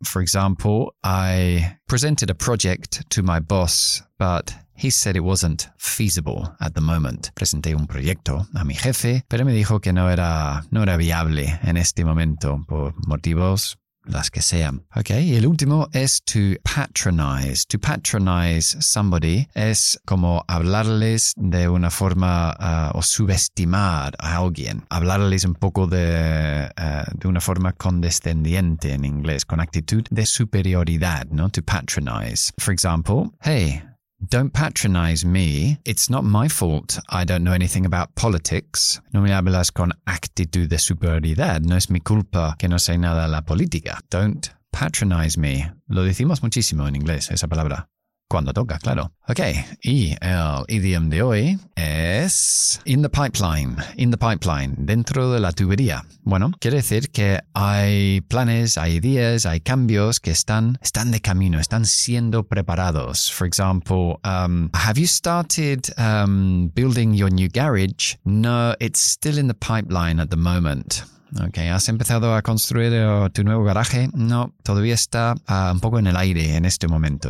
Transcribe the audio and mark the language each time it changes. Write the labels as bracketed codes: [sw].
[en] For example, I presented a project to my boss, but he said it wasn't feasible at the moment. [es] Presenté un proyecto a mi jefe, pero me dijo que no era viable en este momento por motivos las que sean. Okay, y el último es to patronize. To patronize somebody es como hablarles de una forma o subestimar a alguien. Hablarles un poco de una forma condescendiente en inglés, con actitud de superioridad, ¿no? [en] To patronize. For example, hey, don't patronize me. It's not my fault. I don't know anything about politics. [es] No me hablas con actitud de superioridad. No es mi culpa que no sé nada de la política. [en] Don't patronize me. [es] Lo decimos muchísimo en inglés, esa palabra. Cuando toca, claro. Okay, y el idiom de hoy es in the pipeline. In the pipeline, dentro de la tubería. Bueno, quiere decir que hay planes, hay ideas, hay cambios que están de camino, están siendo preparados. [en] For example, have you started building your new garage? No, it's still in the pipeline at the moment. [es] Ok, ¿has empezado a construir tu nuevo garaje? No, todavía está un poco en el aire en este momento.